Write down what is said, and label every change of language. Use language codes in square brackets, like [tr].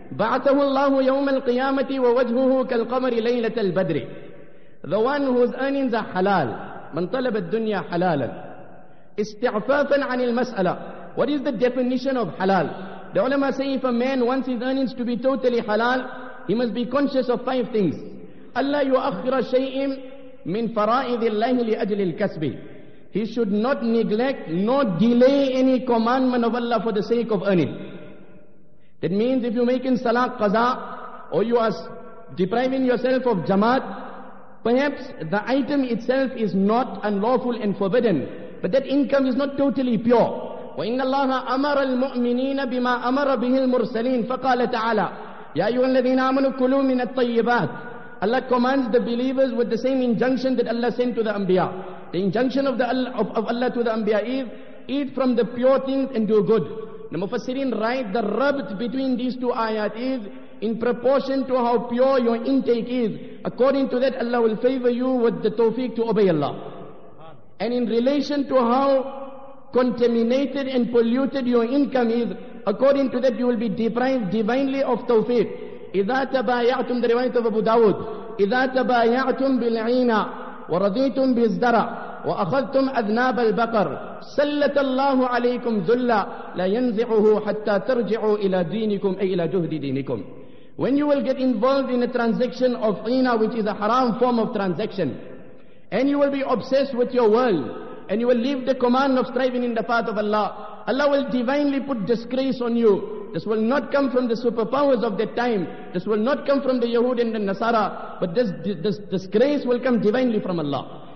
[ar] بعثه الله يوم القيامة ووجهه كالقمر ليلة البدر. [en] The one whose earnings are halal, [ar] من طلب الدنيا حلالا استعفافا عن المسألة. [en] What is the definition of halal? The ulama say, if a man wants his earnings to be totally halal, he must be conscious of five things. [ar] ألا يؤخر شيء من فرائض الله لأجل الكسب. [en] He should not neglect nor delay any commandment of Allah for the sake of earning. That means if you're making salah qaza, or you are depriving yourself of jamaat, perhaps the item itself is not unlawful and forbidden, but that income is not totally pure. [ar] وَإِنَّ اللَّهَ أَمَرَ الْمُؤْمِنِينَ بِمَا أَمَرَ بِهِ الْمُرْسَلِينَ فَقَالَ تَعَالَى يَا أَيُّهَا الَّذِينَ آمَنُوا كُلُوا مِنَ الطَّيِّبَاتِ. [en] Allah commands the believers with the same injunction that Allah sent to the Anbiya. The injunction of Allah to the Anbiya is, eat from the pure things and do good. The Mufassirin write, the rabt between these two ayat is in proportion to how pure your intake is. According to that, Allah will favor you with the tawfiq to obey Allah. And in relation to how contaminated and polluted your income is, according to that, you will be deprived divinely of tawfiq. [ar] إِذَا تَبَايَعْتُمْ, [en] the riwayat of Abu Dawud, [ar] إِذَا تَبَايَعْتُمْ بِالْعِينَ وَرَضِيتُمْ بِالْزَّرَى وَأَخَذْتُمْ أَذْنَابَ الْبَقَرِ سَلَّتَ اللَّهُ عَلَيْكُمْ ذُلَّا لَا يَنْزِعُهُ حَتَّى تَرْجِعُوا إِلَى دِينِكُمْ أي إِلَى جُهْدِ دِينِكُمْ. [en] When you will get involved in a transaction of ina, which is a haram form of transaction, and you will be obsessed with your world, and you will leave the command of striving in the path of Allah, Allah will divinely put disgrace on you. This will not come from the superpowers of that time. This will not come from the Yahud and the Nasara, but this disgrace will come divinely from Allah.